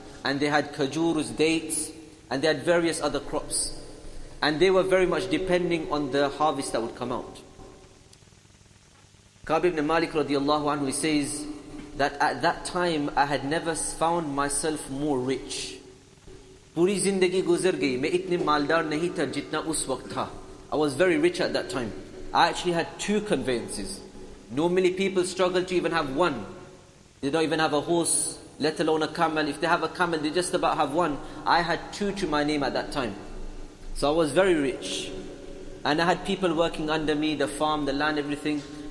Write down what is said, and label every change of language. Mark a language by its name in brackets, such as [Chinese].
[English] And they had kajurus, dates, and they had various other crops. And they were very much depending on the harvest that would come out. Ka'b ibn Malik radiallahu anhu, he says that at that time I had never found myself more rich. [Urdu] پوری زندگی گزر گئی، میں اتنے مالدار نہیں تھا جتنا اس وقت تھا۔ [English] I was very rich at that time. I actually had two conveyances. Normally people struggle to even have one. They don't even have a horse, let alone a camel. If they have a camel, they just about have one. I had two to my name at that time. So I was very rich. And I had people working under me, the farm, the land, everything.